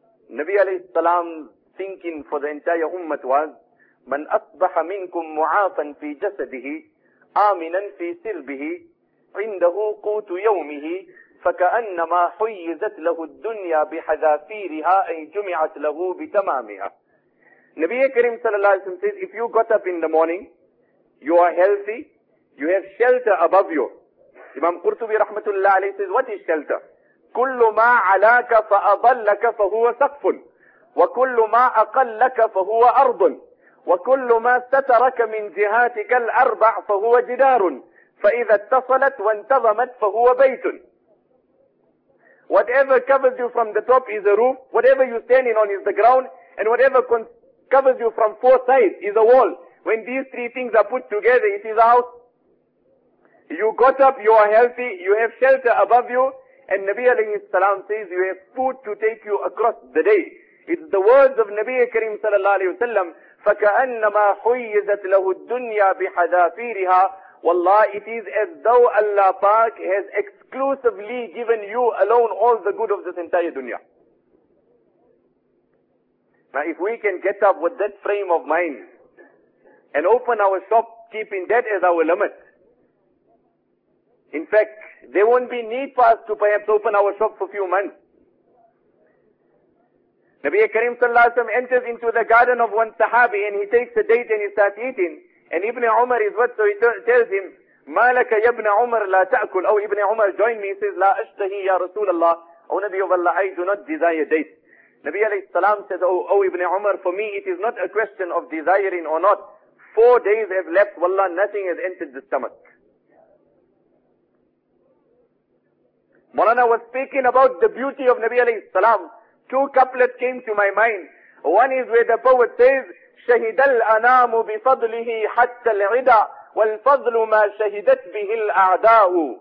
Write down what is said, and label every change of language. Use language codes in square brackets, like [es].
[en] Nabi alayhi salam's thinking for the entire ummah was, [ar] man asbaha minkum mu'afan fi jasadihi, آمِنًا فِي سِلْبِهِ عِنْدَهُ قُوتُ يَوْمِهِ فَكَأَنَّمَا حُيِّزَتْ لَهُ الدُّنْيَا بِحَذَافِيرِهَا أَيْ جُمِعَتْ لَهُ بِتَمَامِهَا. [en] Nabi Karim sallallahu alayhi wa sallam says, if you got up in the morning, you are healthy, you have shelter above you. Imam Qurtubi rahmatullah alayhi says, what is shelter? [ar] كُلُّ مَا عَلَاكَ فَأَضَلَّكَ فَهُوَ سَقْفٌ وَكُلُّ مَا أَقَلَّكَ فَهُوَ أَرْضٌ وكل ما استترك من جهاتك الأربع فهو جدار فإذا اتصلت وانتظمت فهو بيت. [en] Whatever covers you from the top is a roof, whatever you're standing on is the ground, and whatever covers you from four sides is a wall. When these three things are put together, it is a house. You got up, you are healthy, you have shelter above you, and Nabi alayhi salam says you have food to take you across the day. It's the words of Nabi Kareem sallallahu alayhi wa sallam. [ar] فَكَأَنَّمَا حُيِّزَتْ لَهُ الدُّنْيَا بِحَذَافِيرِهَا. [en] Wallah, it is as though Allah Pak has exclusively given you alone all the good of this entire dunya. Now if we can get up with that frame of mind and open our shop, keeping that as our limit. In fact, there won't be need for us to perhaps open our shop for a few months. Nabi Karim sallallahu alayhi wa sallam enters into the garden of one sahabi and he takes a date and he starts eating. And Ibn Umar is what? So he tells him, [ar] مَا لَكَ يَبْنَ عُمَرَ لَا تَأْكُلُ. [en] Oh, Ibn Umar, join me. He says, [ar] لَا أَشْتَهِي يَا رَسُولَ اللَّهِ. [en] Oh, Nabi of Allah, I do not desire dates. Nabi alayhi salam says, oh, Ibn Umar, for me it is not a question of desiring or not. 4 days have left. Wallah, nothing has entered the stomach. Mawlana was speaking about the beauty of Nabi alayhi salam. Two couplets came to my mind. One is where the poet says, [ar] شَهِدَ الْأَنَامُ بِفَضْلِهِ حَتَّى الْعِدَى وَالْفَضْلُ مَا شَهِدَتْ بِهِ الْأَعْدَاءُ.